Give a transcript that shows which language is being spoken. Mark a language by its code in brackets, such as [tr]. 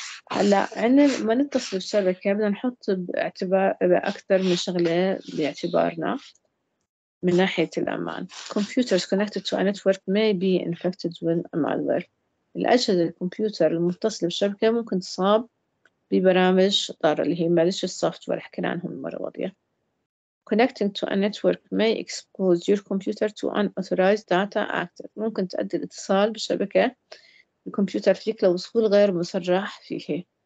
[ar] هلا عنا لما نتصل بشبكة بدنا نحط باعتبار بأكثر من شغلة باعتبارنا من ناحية الأمان. [en] Computers connected to a network may be infected with malware. [ar] الأجهزة الكمبيوتر المتصلة بشبكة ممكن تصاب ببرامج ضارة اللي هي [en] malicious software، [ar] حكينا عنهم المرة الماضية. [en] Connecting to a network may expose your computer to unauthorized data access. [ar] ممكن تؤدي الاتصال بشبكة الكمبيوتر فيك لوصول غير مصرح فيه.